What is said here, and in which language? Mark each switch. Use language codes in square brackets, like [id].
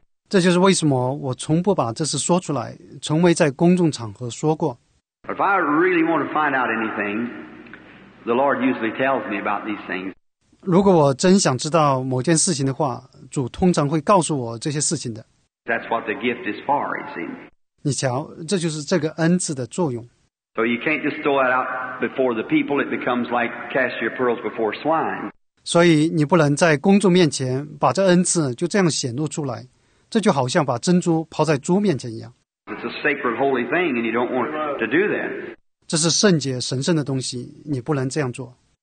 [zh] 这就是为什么我从不把这事说出来，从没在公众场合说过。 [en] If I really want to find out anything, the Lord usually tells me about these things. [zh] 如果我真想知道某件事情的话，主通常会告诉我这些事情的。 [en] That's what the gift is for, it seems. [zh] 你瞧，这就是这个恩赐的作用。 [en] So you can't just throw it out before the people, it becomes like cast your pearls before swine. [zh] 所以你不能在公众面前把这恩赐就这样显露出来，这就好像把珍珠抛在猪面前一样。 [en] It's a sacred holy thing and you don't want to do that. [zh] 这是圣洁神圣的东西，你不能这样做。